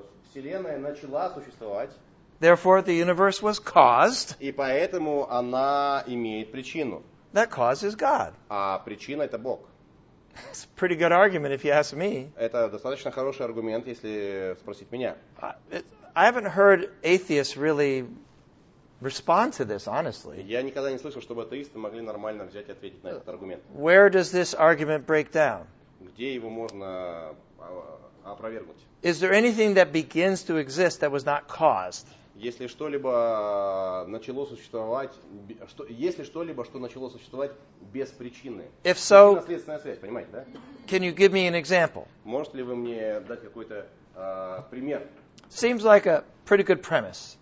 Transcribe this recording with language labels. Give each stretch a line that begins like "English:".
Russian: Вселенная начала существовать.
English: Therefore, the universe was caused.
Russian: И поэтому она имеет причину.
English: That cause is God.
Russian: А причина — это Бог.
English: It's a pretty good argument if you ask me.
Russian: Это достаточно хороший аргумент, если спросить меня.
English: I haven't heard atheists really respond to this honestly.
Russian: Я никогда не слышал, чтобы атеисты могли нормально взять и ответить на этот аргумент.
English: Where does this argument break down?
Russian: Где его можно опровергнуть?
English: Is there anything that begins to exist that was not caused?
Russian: Если что-либо начало существовать, что начало существовать без причины.
English: If so,
Russian: наследственная связь, понимаете, да?
English: Can you give me an example?
Russian: Можете ли вы мне дать какой-то пример?
English: Seems like a pretty good premise.